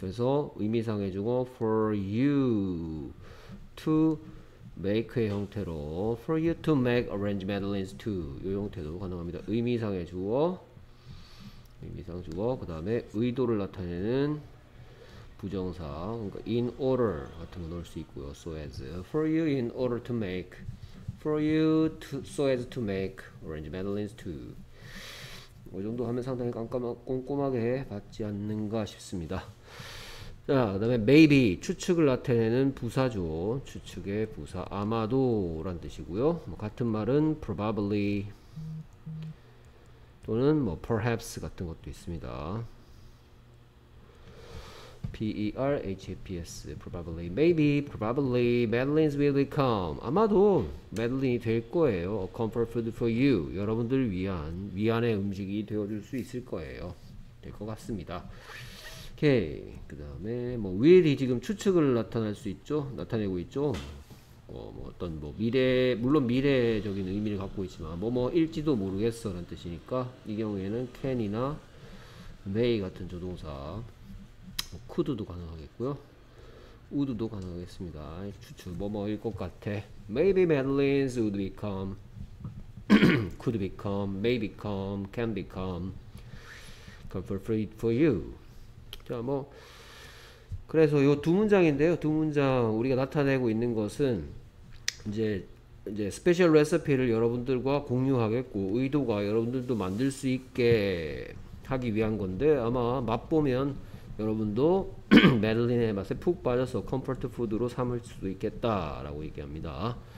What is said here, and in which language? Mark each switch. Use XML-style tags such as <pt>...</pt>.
<ko>그래서 의미상의 주어</ko> <en>for you to make</en> <ko>의 형태로</ko> <en>for you to make Orange Madeleines 2.</en> <ko>이 형태도 가능합니다. 의미상의 주어, 의미상 주어, 그 다음에 의도를 나타내는 부정사, 그러니까 in order 같은 거 넣을 수 있고요.</ko> <en>So as for you in order to make, for you to, so as to make orange medallions too.</en> <ko>이 정도 하면 상당히 꼼꼼하게 받지 않는가 싶습니다. 자, 그다음에 maybe 추측을 나타내는 부사죠. 추측의 부사 아마도란 뜻이고요. 뭐 같은 말은 probably 또는 뭐 perhaps 같은 것도 있습니다.</ko> <en>PERHAPS, probably, maybe, probably, Madeleines will become.</en> <ko>아마도 Madeleine이 될 거예요.</ko> <en>A comfort food for you.</en> <ko>여러분들을 위한 위안의 음식이 되어줄 수 있을 거예요. 될것 같습니다. 오케이. 그 다음에 뭐 will이 지금 추측을 나타낼 수 있죠. 나타내고 있죠. 뭐 어떤 뭐 미래 물론 미래적인 의미를 갖고 있지만 뭐뭐일지도 모르겠어라는 뜻이니까 이 경우에는 can이나 may 같은 조동사. 쿠드도 가능하겠고요. 우드도 가능하겠습니다. 추측 뭐뭐일 것 같아.</ko> <en>Maybe Madeleines would become, could become, may become, can become comfort food for you.</en> <ko>자, 뭐 그래서 요두 문장인데요. 두 문장 우리가 나타내고 있는 것은 이제 스페셜 레시피를 여러분들과 공유하겠고 의도가 여러분들도 만들 수 있게 하기 위한 건데 아마 맛보면 여러분도 메들린의 맛에 푹 빠져서 컴포트 푸드로 삼을 수도 있겠다라고 얘기합니다.</ko>